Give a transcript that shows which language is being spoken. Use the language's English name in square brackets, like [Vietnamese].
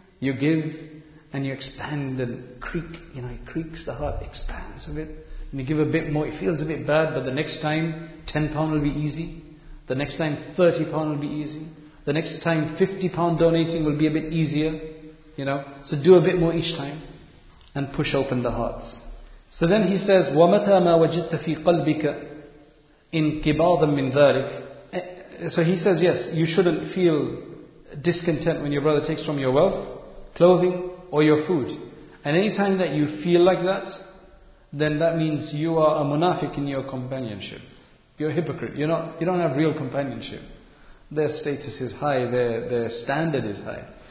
[English] You give and you expand and creak, you know, it creaks, the heart expands a bit. And you give a bit more, it feels a bit bad, but the next time, £10 will be easy. The next time, £30 will be easy. The next time, £50 donating will be a bit easier. You know, so do a bit more each time and push open the hearts. So then he says, [Arabic] وَمَتَى مَا وَجِدْتَ فِي قَلْبِكَ إِنْ كِبَاضًا مِّنْ ذَلِكَ. [English] So he says, yes, you shouldn't feel discontent when your brother takes from your wealth, clothing, or your food. And any time that you feel like that, then that means you are a munafiq in your companionship. You're a hypocrite. You don't have real companionship. Their status is high, their standard is high.